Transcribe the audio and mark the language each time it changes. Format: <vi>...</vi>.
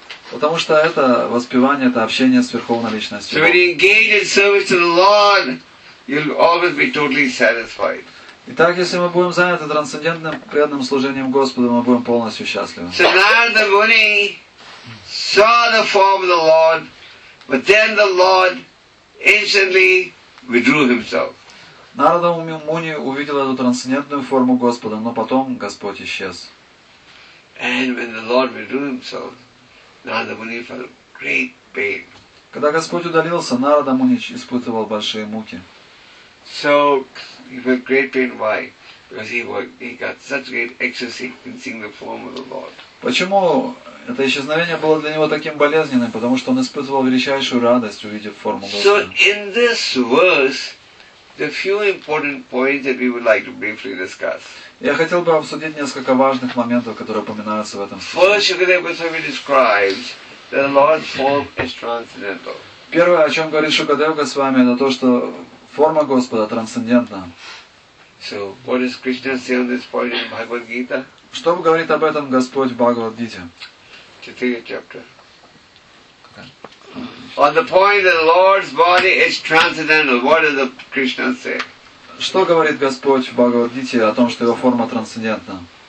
<ru>Потому что это воспевание, это общение с Верховной Личностью.</ru> <en>So when you engage in service to the Lord, you'll always be totally satisfied.</en> <ru>Итак, если мы будем заняты трансцендентным преданным служением Господу, мы будем полностью счастливы.</ru> <en>So Narada Muni saw the form of the Lord, but then the Lord instantly withdrew himself.</en> <ru>Narada Muni увидел эту трансцендентную форму Господа, но потом Господь исчез.</ru> <en>And when the Lord withdrew himself, Narada Muni felt great pain.</en> <ru>Когда Господь удалился, Narada Muni испытывал большие муки.</ru> <en>So he felt great pain. Why? Because he got such great ecstasy in seeing the form of the Lord.</en> <ru>Почему это исчезновение было для него таким болезненным? Потому что он испытывал величайшую радость, увидев форму Господа.</ru> <en>So in this verse, the few important points that we would like to briefly discuss.</en> <ru>Я хотел бы обсудить несколько важных моментов, которые упоминаются в этом стихе.</ru> <en>First, Shukadeva Goswami describes that the Lord's form is transcendental.</en> <ru>Первое, о чем говорит Шукадев Госвами, это то, что форма Господа трансцендентна.</ru> <en>So, what does Krishna say on this point in Bhagavad Gita?</en> <ru>Что говорит об этом Господь в Бхагавад Гите?</ru> <en>4 chapter. On the point that the Lord's body is transcendental, what does Krishna say?</en> <ru>Что говорит Господь в Бхагавад Гите о том, что его форма трансцендентна?</ru>